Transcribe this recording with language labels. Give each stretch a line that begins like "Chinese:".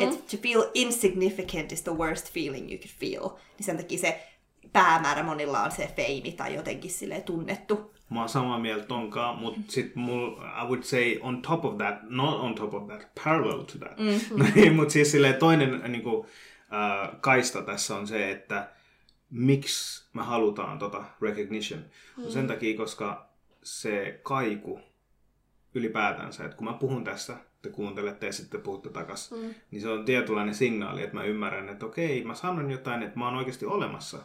English: Et to feel insignificant is the worst feeling you could feel.
Finnish: Niin sen takia se päämäärä monilla on se feimi tai jotenkin silleen tunnettu. Mä oon samaa mieltä tonkaan, mutta sit mulla,
English: I would say on top of that, not on top of that, parallel to that. Mm-hmm.
Finnish: Mutta siis silleen toinen niinku, kaista tässä on se, että miksi me halutaan tota recognition. Mm. Sen takia, koska se kaiku ylipäätänsä, että kun mä puhun tästä, te kuuntelette ja sitten puhutte takas, niin se on tietynlainen signaali, että mä ymmärrän, että okei, mä sanon jotain, että mä oon oikeasti olemassa.